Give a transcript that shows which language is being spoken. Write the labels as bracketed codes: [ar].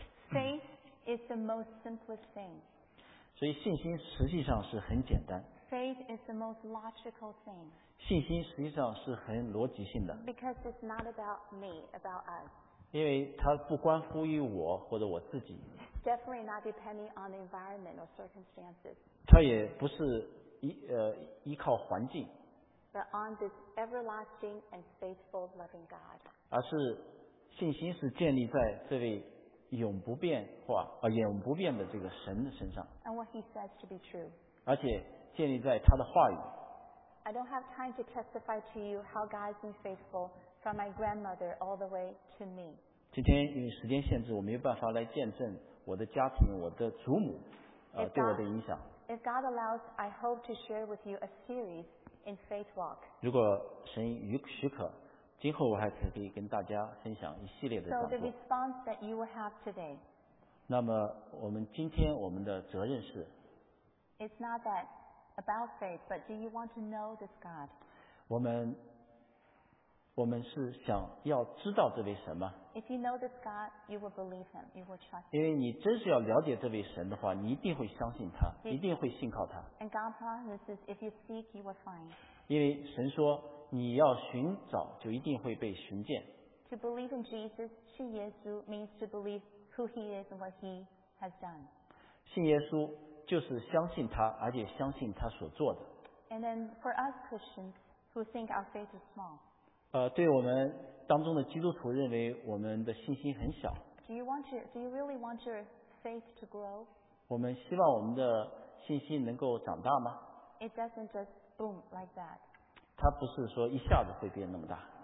[en] Faith is the most simplest thing. [zh] 所以信心实际上是很简单 [en] Faith is the most logical thing. [zh] 信心实际上是很逻辑性的 [en] Because it's not about me, about us. [zh] 因为它不关乎于我或者我自己 [en] Definitely not depending on the environment or circumstances. [zh] 它也不是依靠环境 [en] But on this everlasting and faithful loving God. [zh] 而是信心是建立在这位永不变化永不变的这个神的身上 [en] And what he says to be true. [zh] 而且建立在他的话语 [en] I don't have time to testify to you how God has been faithful from my grandmother all the way to me. [zh] 今天因为时间限制我没有办法来见证我的家庭我的祖母对我的影响 [en] If God allows I hope to share with you a series in faith walk [zh] 如果神许可今后我还可以跟大家分享一系列的讲座。 [en] So the response that you will have today. [zh] 那么我们今天我们的责任是。 [en] It's not that about faith, but do you want to know this God? [zh] 我们是想要知道这位神吗？ [en] If you know this God, you will believe him, you will trust him. [zh] 因为你真是要了解这位神的话，你一定会相信他， [en] if, [zh] 一定会信靠他。 [en] And God promises, if you seek, you will find. [zh] 因为神说。你要寻找，就一定会被寻见。 [en] To believe in Jesus, [zh] 信耶稣 [en] means to believe who He is and what He has done. [zh] 信耶稣就是相信他，而且相信他所做的。 [en] And then for us Christians who think our faith is small. [zh] 对我们当中的基督徒认为我们的信心很小。 [en] Do you really want your faith to grow? [zh] 我们希望我们的信心能够长大吗 [en] ？It doesn't just boom like that. [zh] 他不是说一下子会变那么大。